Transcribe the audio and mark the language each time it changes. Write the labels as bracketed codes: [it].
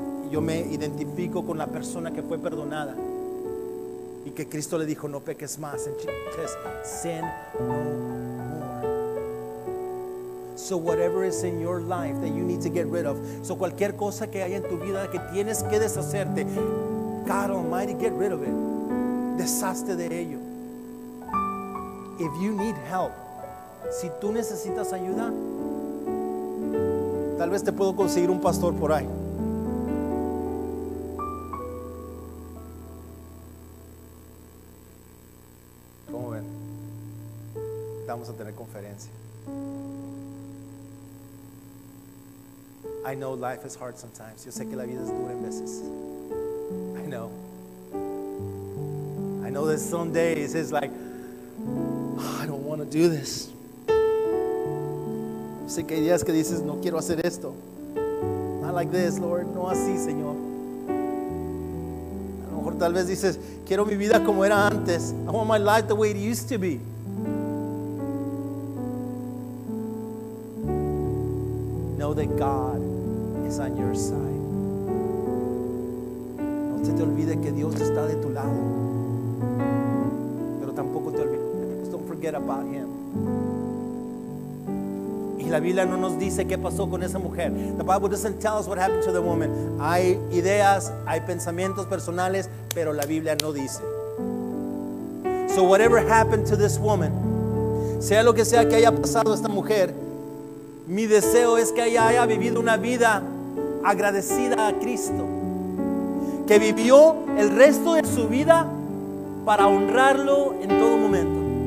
[es] Yo me identifico con la persona que fue perdonada. Y que Cristo le dijo, no peques más. [en] And she says, sin no more. So whatever is in your life that you need to get rid of. [es] So cualquier cosa que haya en tu vida que tienes que deshacerte. [en] God Almighty, get rid of it. [es] Deshazte de ello. [en] If you need help, [es] si tú necesitas ayuda, tal vez te puedo conseguir un pastor por ahí. ¿Cómo ven? Vamos a tener conferencia. [en] I know life is hard sometimes. [es] Yo sé que la vida es dura en veces. [en] I know that some days it's like, oh, I don't want to do this. [es] Sé que hay días que dices, no quiero hacer esto. [en] Not like this, Lord. [es] No así, Señor. A lo mejor tal vez dices, quiero mi vida como era antes. [en] I want my life the way it used to be. Know that God is on your side. [es] No se te olvide que Dios está de tu lado. Pero tampoco te olvides. [en] Don't forget about him. [es] Y la Biblia no nos dice qué pasó con esa mujer. [en] The Bible doesn't tell us what happened to the woman. [es] Hay ideas, hay pensamientos personales, pero la Biblia no dice. [en] So whatever happened to this woman, [es] sea lo que sea que haya pasado a esta mujer, mi deseo es que ella haya vivido una vida agradecida a Cristo, que vivió el resto de su vida para honrarlo en todo momento.